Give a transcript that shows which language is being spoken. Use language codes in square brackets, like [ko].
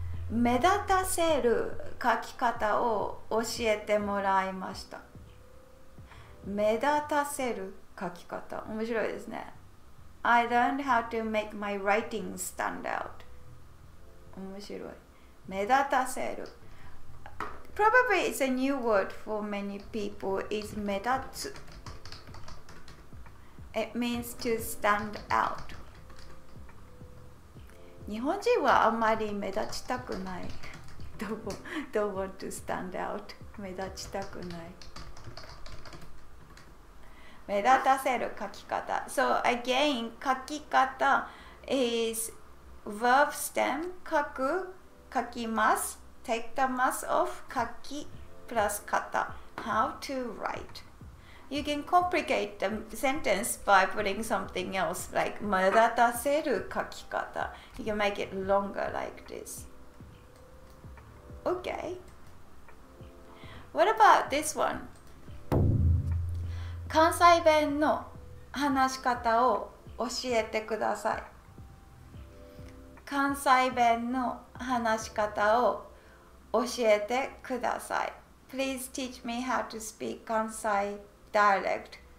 [ja] 目立たせる書き方を教えてもらいました。目立たせる書き方。面白いですね。 [en] I learned how to make my writing stand out. [ja] 面白い。目立たせる。 [en] Probably it's a new word for many people is 目立つ。 It means to stand out. [ja] 日本人はあまり目立ちたくない。 [en] Don't want to stand out. [ja] 目立ちたくない。目立たせる書き方。 [en] So again, 書き方 is verb stem. [ja] 書く、書きます。 [en] Take the mask off. 書き plus 型。How to write. You can complicate the sentence by putting something else like [ja] 目立たせる書き方. [en] You can make it longer like this. Okay. What about this one? [ja] 関西弁の話し方を教えてください。関西弁の話し方を教えてください。 [en] Please teach me how to speak Kansai dialect.